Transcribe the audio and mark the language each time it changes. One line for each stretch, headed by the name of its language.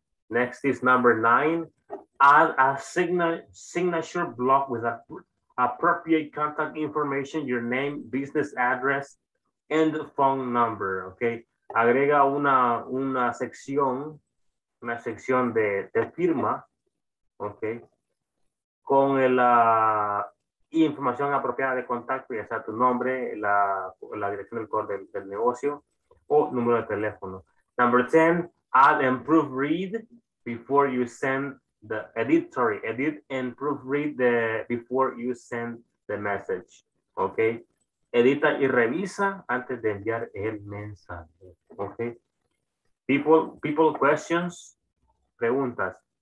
English: Next is number nine, add a signature block with appropriate contact information, your name, business address, and phone number, okay.
Spanish: Agrega una sección de firma, okay, con la información apropiada de contacto, ya sea tu nombre, la dirección del correo del negocio o número de teléfono.
English: Number 10, add and proofread before you send the edit and proofread the before you send the message, okay?
Spanish: Edita y revisa antes de enviar el mensaje, okay?
English: People questions, preguntas.